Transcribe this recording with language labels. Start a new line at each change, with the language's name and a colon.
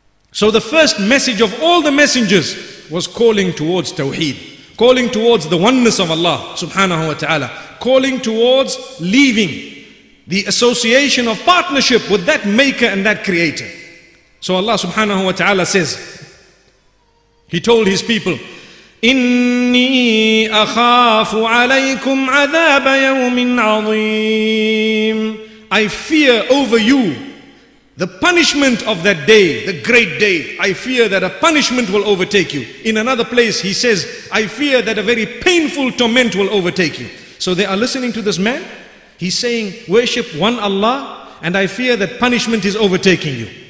English: So the first message of all the messengers was calling towards tawheed, calling towards the oneness of Allah subhanahu wa ta'ala, calling towards leaving the association of partnership with that maker and that creator. So Allah subhanahu wa ta'ala says, he told his people,
Arabic: إني أخاف عليكم عذاب يوم عظيم.
English: I fear over you the punishment of that day, the great day. I fear that a punishment will overtake you. In another place he says, I fear that a very painful torment will overtake you. So they are listening to this man. He's saying, worship one Allah and I fear that punishment is overtaking you.